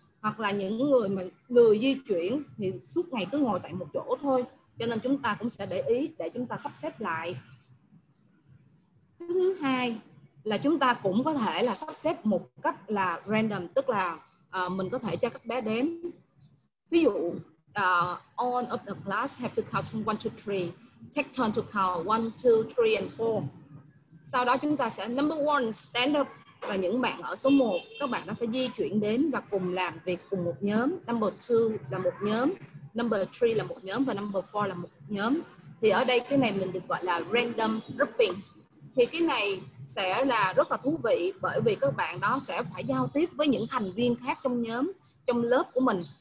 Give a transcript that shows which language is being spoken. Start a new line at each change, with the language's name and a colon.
Vietnamese: Hoặc là những người mà lười di chuyển thì suốt ngày cứ ngồi tại một chỗ thôi, cho nên chúng ta cũng sẽ để ý để chúng ta sắp xếp lại. Thứ hai là chúng ta cũng có thể là sắp xếp một cách là random, tức là mình có thể cho các bé đếm. Ví dụ
English: all of the class have to count from 1 to 3. Take turn to count 1, 2, 3 and 4.
Vietnamese: Sau đó chúng ta sẽ
English: number 1 stand up,
Vietnamese: và những bạn ở số 1 các bạn nó sẽ di chuyển đến và cùng làm việc cùng một nhóm. Number 2 là một nhóm, number 3 là một nhóm và number 4 là một nhóm. Thì ở đây cái này mình được gọi là random grouping. Thì cái này sẽ là rất là thú vị, bởi vì các bạn đó sẽ phải giao tiếp với những thành viên khác trong nhóm, trong lớp của mình.